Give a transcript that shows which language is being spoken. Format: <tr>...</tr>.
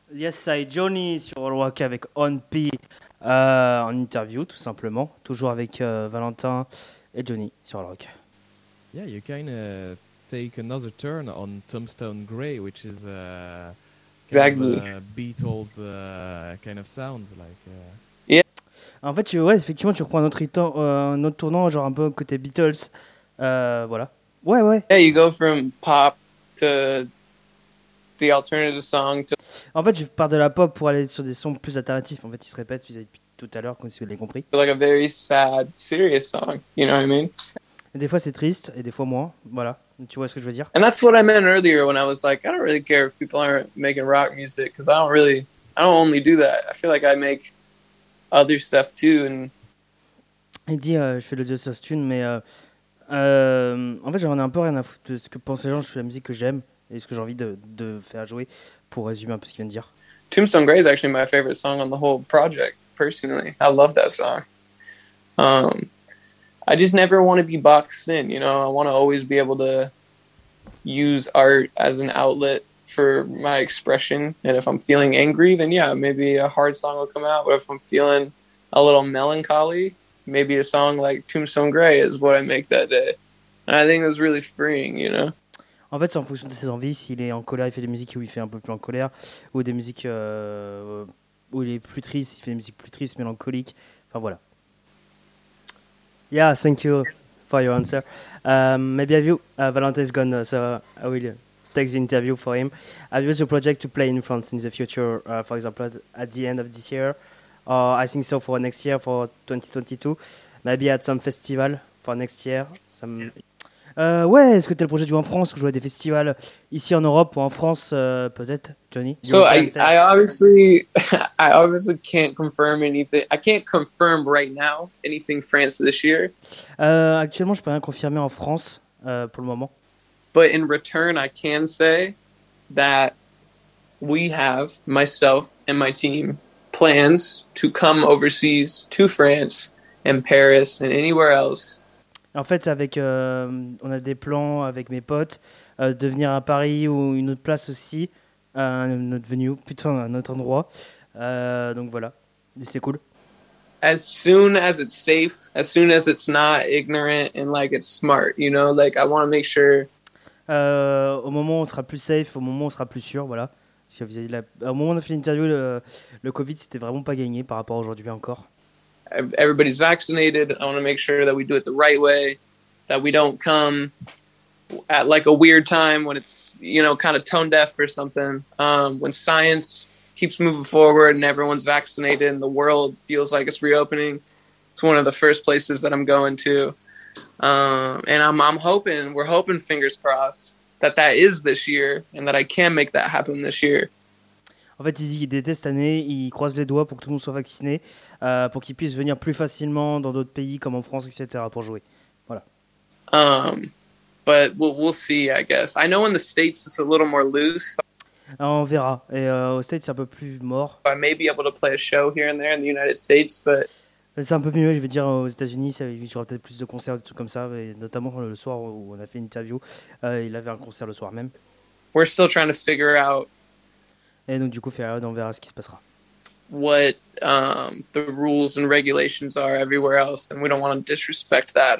<fr>Side Johnny sur All Rock avec On P en interview, tout simplement. Toujours avec Valentin et Johnny sur All Rock.</fr> <en>Yeah, you kind of take another turn on Tombstone Grey, which is exactly. Beatles kind of sound. Like, yeah.</en> <fr>En fait, effectivement, tu reprends un autre tournant, genre un peu côté Beatles. Voilà. Ouais, ouais.</fr> <en>Yeah, you go from pop to the alternative song.</en> <fr>En fait, je pars de la pop pour aller sur des sons plus alternatifs. En fait, ils se répètent vis-à-vis tout à l'heure, comme si vous l'avez compris.</fr> <en>Like a very sad, serious song. You know what I mean?</en> <fr>Des fois, c'est triste, et des fois moins. Voilà. Tu vois ce que je veux dire?</fr> <en>And that's what I meant earlier when I was like, I don't really care if people aren't making rock music because I don't only do that. I feel like I make other stuff too. And</en> <fr>il dit, je fais le jazz soft tune, mais en fait, j'en ai un peu rien à foutre de ce que pensent les gens. Je fais la musique que j'aime et ce que j'ai envie de faire jouer. Pour résumer un peu ce qu'il vient de dire.</fr> <en>Tombstone Grey is actually my favorite song on the whole project, personally. I love that song. I just never want to be boxed in, you know. I want to always be able to use art as an outlet for my expression. And if I'm feeling angry, then yeah, maybe a hard song will come out. But if I'm feeling a little melancholy, maybe a song like Tombstone Grey is what I make that day. And I think that's really freeing, you know.</en> <fr>En fait, c'est en fonction de ses envies. S'il est en colère, il fait des musiques où il fait un peu plus en colère. Ou des musiques où il est plus triste, il fait des musiques plus tristes, mélancoliques. Enfin, voilà.</fr> <en>Yeah, thank you for your answer. Maybe have you... Valentin is gone, so I will take the interview for him. Have you the project to play in France in the future, for example, at the end of this year? Or I think so for next year, for 2022. Maybe at some festival for next year, some...</en> <fr>ouais, est-ce que t'as le projet de jouer en France ou jouer à des festivals ici en Europe ou en France, peut-être, Johnny?</fr> <en>So I obviously can't confirm anything. I can't confirm right now anything France this year.</en> <fr>Actuellement, je peux rien confirmer en France pour le moment.</fr> <en>But in return, I can say that we have myself and my team plans to come overseas to France and Paris and anywhere else.</en> <fr>En fait, avec, on a des plans avec mes potes de venir à Paris ou une autre place aussi, un autre venue, putain, un autre endroit. Donc voilà, c'est cool.</fr> <en>As soon as it's safe, as soon as it's not ignorant and like it's smart, you know, like I want to make sure.</en> <fr>Au moment où on sera plus safe, au moment où on sera plus sûr, voilà. Au moment où on a fait l'interview, le Covid, c'était vraiment pas gagné par rapport à aujourd'hui encore.</fr> <en>Everybody's vaccinated. I want to make sure that we do it the right way, that we don't come at like a weird time when it's, you know, kind of tone deaf or something. When science keeps moving forward and everyone's vaccinated and the world feels like it's reopening, it's one of the first places that I'm going to. And we're hoping, fingers crossed, that that is this year and that I can make that happen this year.</en> <fr>En fait, ils détestent cette année, ils croisent les doigts pour que tout le monde soit vacciné, pour qu'ils puissent venir plus facilement dans d'autres pays comme en France, etc. pour jouer. Voilà.</fr> <en>But we'll see, I guess. I know in the States it's a little more loose.</en> <fr>On verra. Et aux States, c'est un peu plus mort.</fr> <en>I may be able to play a show here and there in the United States, but.</en> <fr>C'est un peu mieux, je veux dire, aux États-Unis, il y aura peut-être plus de concerts, des trucs comme ça, et notamment le soir où on a fait une interview, il avait un concert le soir même.</fr> <en>We're still trying to figure out.</en> <fr>Et donc du coup, on verra ce qui se passera.</fr> <en>What the rules and regulations are everywhere else, and we don't want to disrespect that.</en>